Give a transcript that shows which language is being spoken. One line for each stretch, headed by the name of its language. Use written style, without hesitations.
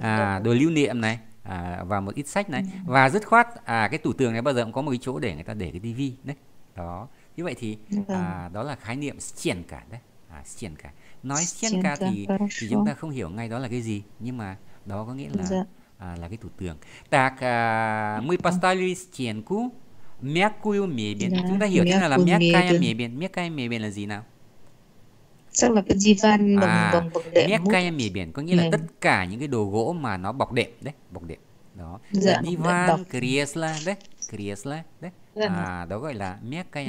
Vietnamese: à, đồ lưu niệm này, à, và một ít sách này, đồ. và dứt khoát à, cái tủ tường này bao giờ cũng có một cái chỗ để người ta để cái tivi đấy. Đó, như vậy thì à, đó là khái niệm stenka cả đấy. À, stenka cả nói stenka cả thì chúng ta không hiểu ngay đó là cái gì, nhưng mà đó có nghĩa là là cái tủ tường.
Russian: Так, мы поставили стенку, мягкую мебель.
Vietnamese: Chúng ta hiểu thế nào là
Russian: мягкая мебель. Мягкая мебель
Vietnamese: là gì nào? Chắc là cái divan bằng À, bằng bằng
Russian: мягкая мебель
Vietnamese: có nghĩa là đệm tất cả những cái đồ gỗ mà nó bọc đệm đấy, bọc đệm. Đó, là mút mềm divan, dạng kriesla đấy, kriesla đấy. đệm bọc À, đó gọi là
Russian: мягкая